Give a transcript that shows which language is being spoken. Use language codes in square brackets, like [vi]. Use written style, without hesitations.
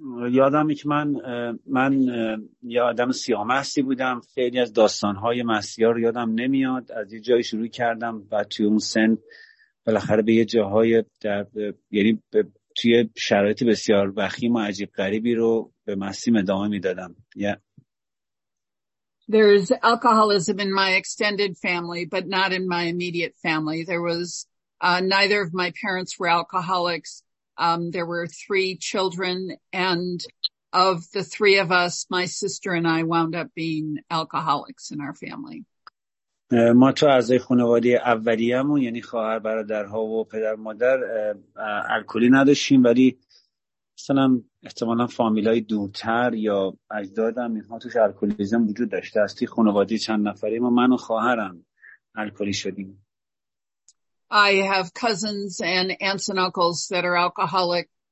[fa] یادمه که من یه آدم سیاه‌مستی بودم. خیلی از داستان‌های مستی‌ها رو یادم نمیاد. از یه جایی شروع کردم و توی اون سن بالاخره به یه جاهای در یعنی توی شرایط بسیار وخیم و عجیب غریبی رو به مستی ادامه میدادم. [en] There's alcoholism in my extended family but not in my immediate family. There was neither of my parents were alcoholics. There were three children, and of the three of us, my sister and I wound up being alcoholics in our family. [fa] ما تو از خانواده اولیه‌مون یعنی خواهر برادرها و پدر مادر الکلی نداشتیم، ولی مثلا احتمالا فامیلای دورتر یا اجدادم اینها توش الکلیزم وجود داشته. از توی خانواده چند نفری ما من و خواهرم الکلی شدیم. [en] I have cousins and aunts and uncles that are alcoholic.